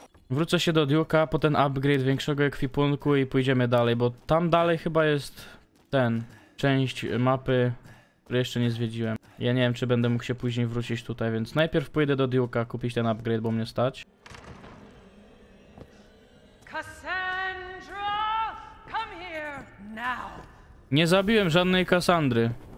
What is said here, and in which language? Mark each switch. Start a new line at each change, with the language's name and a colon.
Polish: Wrócę się do Duke'a po ten upgrade większego ekwipunku i pójdziemy dalej, bo tam dalej chyba jest ten, część mapy, który jeszcze nie zwiedziłem. Ja nie wiem, czy będę mógł się później wrócić tutaj, więc najpierw pójdę do Duke'a kupić ten upgrade, bo mnie stać.
English: Cassandra, come here now.
Polish: Nie zabiłem żadnej Kassandry.